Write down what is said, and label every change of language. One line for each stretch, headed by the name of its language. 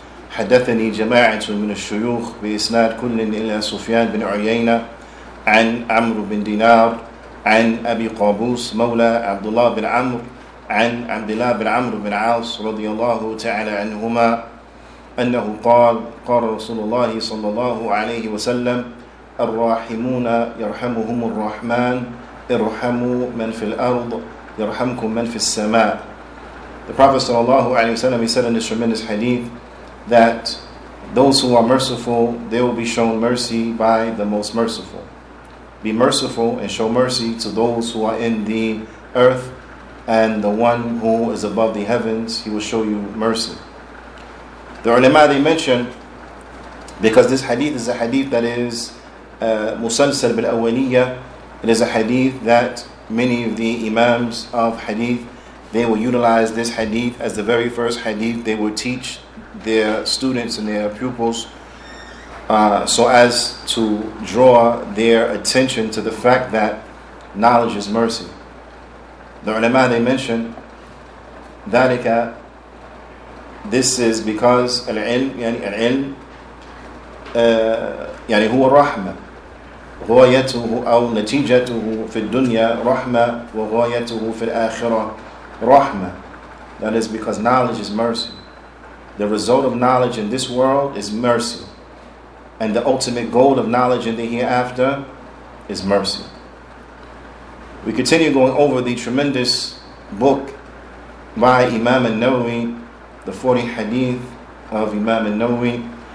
Arabic: حدثني جماعة من الشيوخ بإسناد كل إلى سفيان بن عيينة عن عمرو بن دينار عن أبي قابوس مولى عبد الله بن عمرو عن عبد الله بن عمرو بن عاص رضي الله تعالى عنهما أنه قال قال رسول الله صلى الله عليه وسلم الراحمون يرحمهم الرحمن ارحموا من في الأرض يرحمكم من في السماء
English: The Prophet sallallahu alayhi wa sallam, he said in this tremendous hadith that those who are merciful, they will be shown mercy by the most merciful. Be merciful and show mercy to those who are in the earth and the one who is above the heavens, he will show you mercy. The ulama, they mentioned, because this hadith is a hadith that is musalsal bil awaniyya, it is a hadith that many of the imams of hadith, they will utilize this hadith as the very first hadith they will teach their students and their pupils so as to draw their attention to the fact that knowledge is mercy. The ulama, they mention dhalika, this is because
Arabic: al-ilm, yani huwa rahma. غايته أو نتيجته في الدنيا رحمة وغايته في الآخرة رحمة.
English: That is because knowledge is mercy. The result of knowledge in this world is mercy. And the ultimate goal of knowledge in the hereafter is mercy. We continue going over the tremendous book by Imam al-Nawawi, the 40 hadith of Imam al-Nawawi.